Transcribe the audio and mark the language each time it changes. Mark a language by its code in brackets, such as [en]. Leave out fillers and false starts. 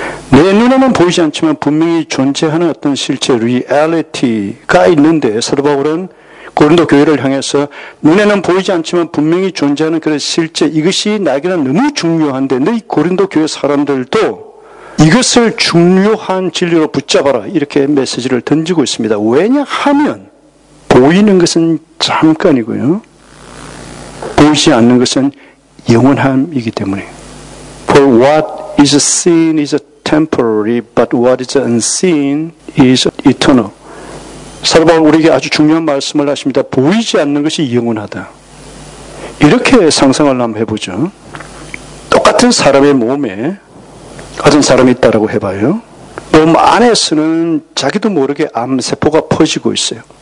[ko] 내 눈에는 보이지 않지만 분명히 존재하는 어떤 실제 리얼리티가 있는데 사도 바울은 고린도 교회를 향해서 눈에는 보이지 않지만 분명히 존재하는 그런 실제 이것이 나에게는 너무 중요한데 너희 고린도 교회 사람들도 이것을 중요한 진리로 붙잡아라 이렇게 메시지를 던지고 있습니다. 왜냐하면 보이는 것은 잠깐이고요. 보이지 않는 것은 영원함이기 때문에. [en] For what is seen is temporary, but what is unseen is eternal. [ko] 사도 바울 우리에게 아주 중요한 말씀을 하십니다. 보이지 않는 것이 영원하다. 이렇게 상상을 한번 해보죠. 똑같은 사람의 몸에 어떤 사람이 있다고 해봐요. 몸 안에서는 자기도 모르게 암세포가 퍼지고 있어요.